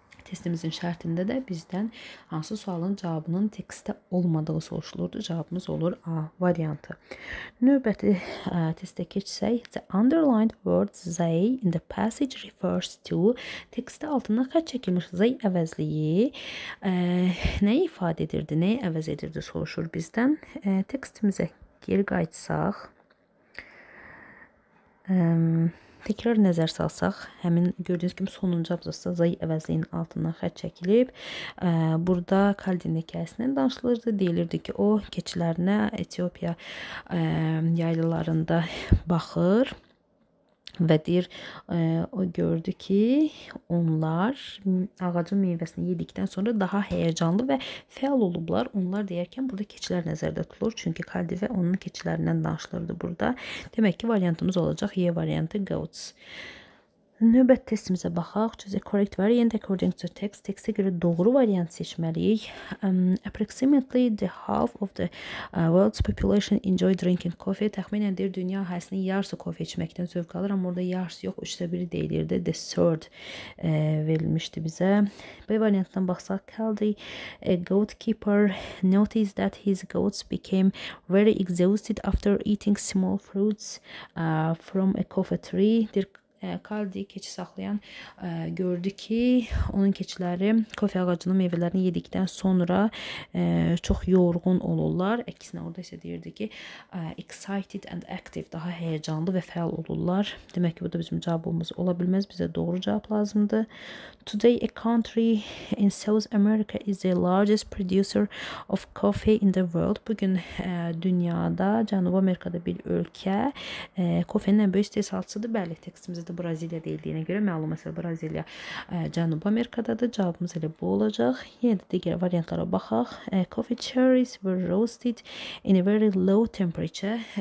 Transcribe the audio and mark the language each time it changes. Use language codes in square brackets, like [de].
[az] Testimizin şartında da bizden hansı sualın cevabının tekste olmadığı soruşulurdu. Cevabımız olur A variantı. Növbəti testə keçsək. [en] The underlined word they in the passage refers to. [az] Tekstdə altında xətt çəkilmiş they əvəzliyi nəyi ifadə edirdi, nəyi əvəz edirdi soruşur bizdən. Tekstimizə geri qayıtsaq. Təkrar nəzər salsaq, həmin gördüyünüz kimi sonuncu abzasda zayı əvəzliyinin altından xətt çəkilib. Burada Kaldin hekayəsindən danışılırdı. Deyilirdi ki, o keçilərinə Etiyopiya yaylılarında baxır və deyir, o gördü ki, onlar ağacın meyvəsini yedikdən sonra daha həyəcanlı və fəal olublar. Onlar deyərkən burada keçilər nəzərdə tutulur. Çünki Kaldivə onun keçilərindən danışılırdı burada. Demək ki, variantımız olacaq Y variantı goats. Növbət testimizə baxaq. [en] Choose a correct variant according to text. [az] Textə görə doğru variant seçməliyik. [en] Approximately the half of the world's population enjoy drinking coffee. [az] Təxminən deyir, dünya əhalisinin yarısı kofe içməkdən zövq alır. Amma orada yarısı yox, üçdə biri deyilirdi. [en] The third [az] verilmişdi bizə. B variantdan baxsaq. [en] Kaldi, a goat keeper noticed that his goats became very exhausted after eating small fruits from a coffee tree. [az] Deyir, Kaldi keçi saxlayan gördü ki, onun keçiləri kofe ağacının meyvələrini yedikdən sonra çox yorğun olurlar. Əksinə orada isə deyirdi ki, [en] excited and active, [az] daha həyəcanlı və fəal olurlar. Demək ki, bu da bizim cavabımız ola bilməz. Bizə doğru cavab lazımdır. [en] Today a country in South America is the largest producer of coffee in the world. [az] Bugün dünyada, Cənubi Amerikada bir ölkə kofenin ən böyük istehsalçısıdır. Bəli, tekstimizdə də Braziliya deyildiyinə görə məlum məsələ Braziliya Cənubi Amerikadadır. Cavabımız elə bu olacaq. Yenə də digər variantlara baxaq. [en] Coffee cherries were roasted in a very low temperature.